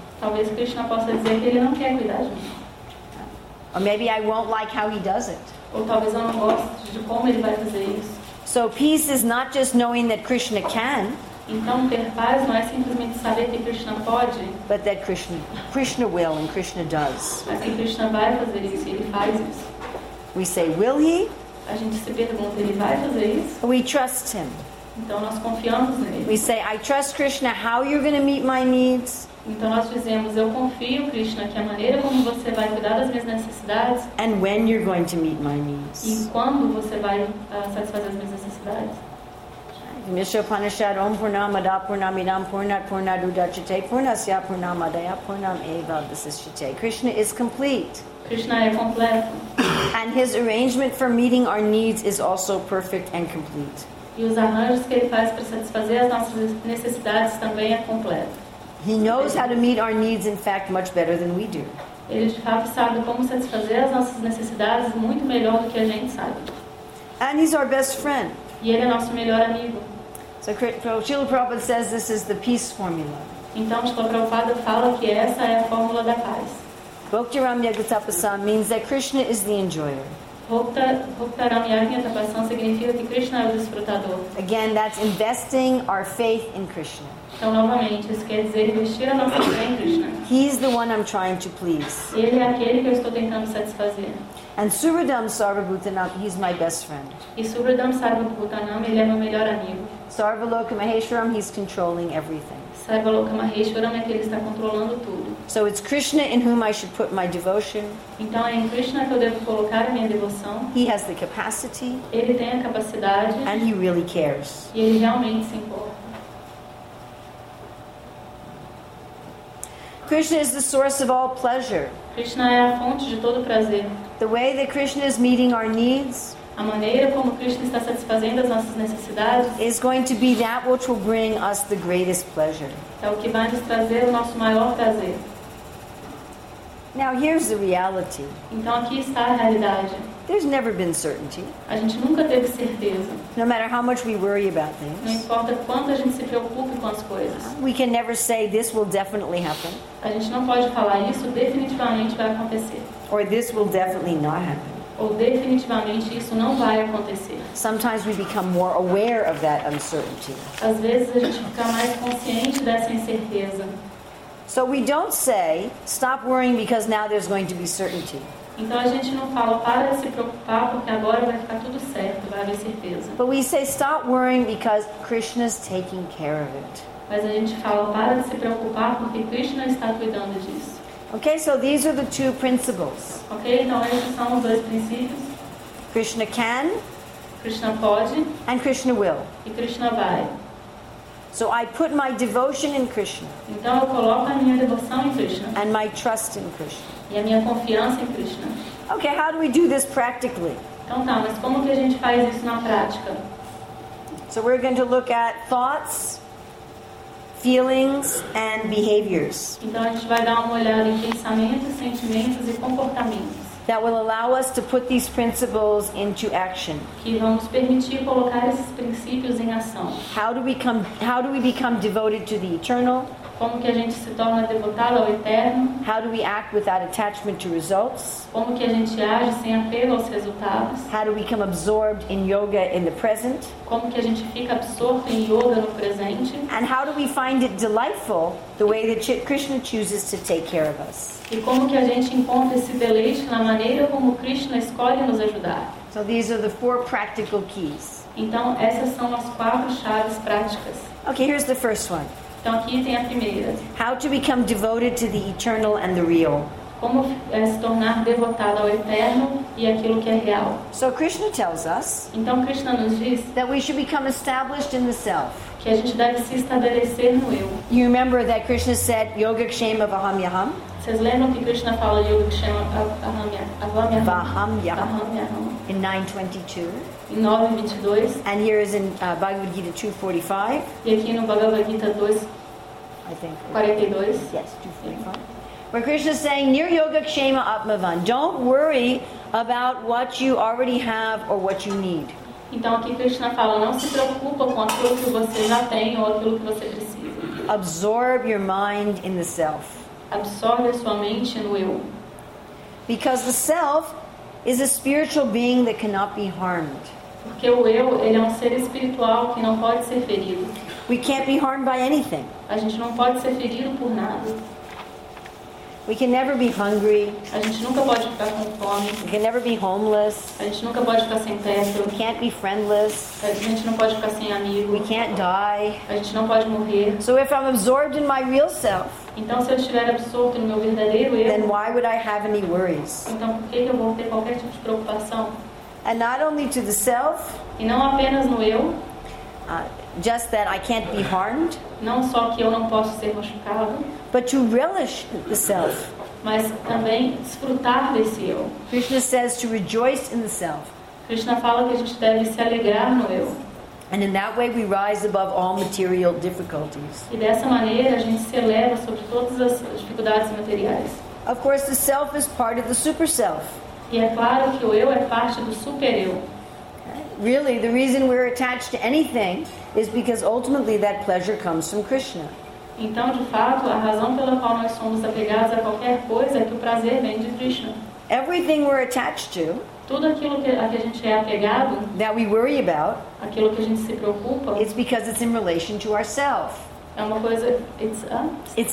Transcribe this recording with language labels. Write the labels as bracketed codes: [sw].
[pt] Talvez Krishna possa dizer que ele não quer cuidar de mim. [en] Or maybe I won't like how he does it. [pt] Ou talvez eu não goste de como ele vai fazer isso. [en] So peace is not just knowing that Krishna can. [pt] Então ter paz não é simplesmente saber que Krishna pode. [en] But that Krishna will and Krishna does. [pt] Mas que Krishna vai fazer isso, ele faz isso. [en] We say, will he? [pt] A gente se pergunta, ele vai fazer isso? [en] We trust him. [pt] Então nós confiamos nele. [en] We say, I trust Krishna, how you're going to meet my needs? [pt] Então nós dizemos, eu confio, Krishna, que a maneira como você vai cuidar das minhas necessidades. [en] And when you're going to meet my needs. [pt] E quando você vai satisfazer as minhas necessidades. [sa] Misha Upanishad, Om Purnam Adha Purnam Idam Purnat Purnat Udachite Purnasya Purnam Adaya Purnam Eva Vasishite. [en] Krishna is complete. [pt] Krishna é completo. [en] And his arrangement for meeting our needs is also perfect and complete. [pt] E os arranjos que ele faz para satisfazer as nossas necessidades também é completo. [en] He knows how to meet our needs, in fact, much better than we do. [pt] Ele de fato sabe como satisfazer as nossas necessidades muito melhor do que a gente sabe. [en] And he's our best friend. [pt] E ele é nosso melhor amigo. [en] So Srila Prabhupada says this is the peace formula. [pt] Então Srila Prabhupada fala que essa é a fórmula da paz. [en] Bhakti Ramya Gatapasam means that Krishna is the enjoyer. [pt] Significa que Krishna é o desfrutador. [en] Again, that's investing our faith in Krishna. [pt] Então, novamente, isso quer dizer investir a nossa fé em Krishna. [en] He's the one I'm trying to please. [pt] Ele é aquele que eu estou tentando satisfazer. [en] And Suradam Sarvabhutanam, he's my best friend. [pt] E Suradam Sarvabhutanam, ele é meu melhor amigo. [en] Sarvaloka Maheshwaram, he's controlling everything. [pt] Sarvaloka Maheshwaram é que ele está controlando tudo. [en] So it's Krishna in whom I should put my devotion. [pt] Então é em Krishna que eu devo colocar a minha devoção. [en] He has the capacity. [pt] Ele tem a capacidade. [en] And he really cares. [pt] E ele realmente se importa. [en] Krishna is the source of all pleasure. [pt] Krishna é a fonte de todo prazer. [en] The way that Krishna is meeting our needs, [pt] a maneira como Krishna está satisfazendo as nossas necessidades, [en] is going to be that which will bring us the greatest pleasure. [pt] É o que vai nos trazer o nosso maior prazer. [en] Now here's the reality. [pt] Então aqui está a realidade. [en] There's never been certainty. [pt] A gente nunca teve certeza. [en] No matter how much we worry about things. [pt] Não importa quanto a gente se preocupe com as coisas. [en] We can never say this will definitely happen. [pt] A gente não pode falar isso definitivamente vai acontecer. [en] Or this will definitely not happen. [pt] Ou definitivamente isso não vai acontecer. [en] Sometimes we become more aware of that uncertainty. [pt] Às vezes a gente fica mais consciente dessa incerteza. [en] So we don't say stop worrying because now there's going to be certainty. [pt] Então a gente não fala, para de se preocupar, porque agora vai ficar tudo certo, vai haver certeza. [en] But we say, stop worrying because Krishna's taking care of it. [pt] Mas a gente fala, para de se preocupar, porque Krishna está cuidando disso. [en] Okay, so these are the two principles. [pt] Okay, então esses são os dois princípios. [en] Krishna can. [pt] Krishna pode. [en] And Krishna will. [pt] E Krishna vai. [en] So I put my devotion in Krishna. [pt] Então eu coloco a minha devoção em Krishna. [en] And my trust in Krishna. [pt] E a minha confiança em Krishna. [en] Okay, how do we do this practically? [pt] Então tá, mas como que a gente faz isso na prática? [en] So we're going to look at thoughts, feelings and behaviors. [pt] Então a gente vai dar uma olhada em pensamentos, sentimentos e comportamentos. [en] That will allow us to put these principles into action. [pt] Que vamos permitir colocar esses princípios em ação. [en] How do we become devoted to the eternal? [pt] Como que a gente se torna devotado ao eterno? [en] How do we act without attachment to results? [pt] Como que a gente age sem apego aos resultados? [en] How do we become absorbed in yoga in the present? [pt] Como que a gente fica absorto em yoga no presente? [en] And how do we find it delightful the way that Krishna chooses to take care of us? [pt] E como que a gente encontra esse deleite na maneira como Krishna escolhe nos ajudar? [en] So these are the four practical keys. [pt] Então essas são as quatro chaves práticas. [en] Okay, here's the first one. [pt] Então aqui tem a primeira. [en] How to become devoted to the eternal and the real. [pt] Como se tornar devotado ao eterno e aquilo que é real. [en] So Krishna tells us. [pt] Então Krishna nos diz. [en] That we should become established in the self. [pt] Que a gente deve se estabelecer no eu. [en] You remember that Krishna said, [sa] yoga kshema vaham yaham? [pt] Vocês lembram que Krishna fala [sa] yoga kshema vaham yaham? Vaham yaham. [en] In 922. [pt] Em 922. [en] And here is in Bhagavad Gita 245. [pt] E aqui no Bhagavad Gita 242. [en] Yes, 245. Where Krishna is saying, [sa] near yoga kshema atmavan. [en] Don't worry about what you already have or what you need. [pt] Então aqui Krishna fala, não se preocupa com aquilo que você já tem ou aquilo que você precisa. [en] Absorb your mind in the self. [pt] Absorve sua mente no eu. [en] Because the self is a spiritual being that cannot be harmed. [pt] Porque o eu, ele é um ser espiritual que não pode ser ferido. [en] We can't be harmed by anything. [pt] A gente não pode ser ferido por nada. [en] We can never be hungry. [pt] A gente nunca pode ficar com fome. [en] We can never be homeless. [pt] A gente nunca pode ficar sem teto. [en] We can't be friendless. [pt] A gente não pode ficar sem amigo. [en] We can't die. [pt] A gente não pode morrer. [en] So if I'm absorbed in my real self, [pt] então se eu estiver absorto no meu verdadeiro eu, [en] then why would I have any worries? [pt] Então por que eu vou ter qualquer tipo de preocupação? [en] And not only to the self, [pt] e não apenas no eu, [en] just that I can't be harmed, [pt] não só que eu não posso ser machucado, [en] but to relish the self, [pt] mas também desfrutar desse eu. [en] Krishna says to rejoice in the self. [pt] Krishna fala que a gente deve se alegrar no eu. [en] And in that way we rise above all material difficulties. [pt] E dessa maneira a gente se eleva sobre todas as dificuldades materiais. [en] Of course the self is part of the super self. [pt] E é claro que o eu é parte do super eu. [en] Really, the reason we're attached to anything is because ultimately that pleasure comes from Krishna. [pt] Então, de fato, a razão pela qual nós somos apegados a qualquer coisa é que o prazer vem de Krishna. [en] Everything we're attached to, [pt] tudo aquilo que, a que a gente é apegado, [en] that we worry about, [pt] aquilo que a gente se preocupa, [en] it's because it's in relation to ourselves. [pt] É uma coisa, [en] it's